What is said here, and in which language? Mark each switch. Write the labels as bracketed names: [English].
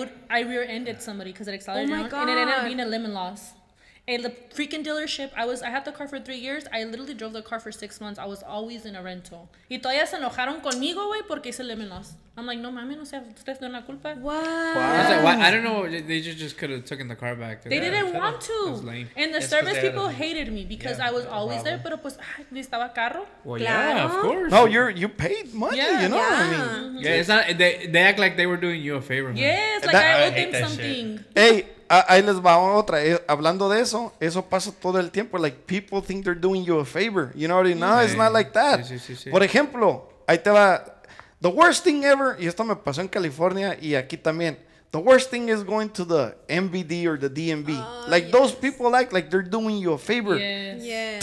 [English] I rear ended somebody because it accelerated, and it ended up being a limb loss. And the freaking dealership, I had the car for 3 years. I literally drove the car for 6 months. I was always in a rental. [Spanish] Y todavía se enojaron conmigo, güey, porque hice lemon loss. [English] I'm like, [Spanish] no mames, no sea, ustedes no tienen la culpa. [English] What? I don't know. They just could have taken the car back. They didn't want to. And the service people hated me because I was always there. [Spanish] Pero pues, necesitaba carro. [English] Well, yeah, of course. No, you paid money, you know what I mean? Yeah, it's not, they act like they were doing you a favor. Man. Yes, like that, I owed them something. [Spanish] Hey. Ahí les va otra. Hablando de eso, eso pasa todo el tiempo. [English] Like, people think they're doing you a favor. You know what I mean? No, it's not like that. [Spanish] Sí. Por ejemplo, ahí te va. [English] The worst thing ever, [Spanish] y esto me pasó en California y aquí también. [English] The worst thing is going to the MVD or the DMV. Those people act like they're doing you a favor. Yes.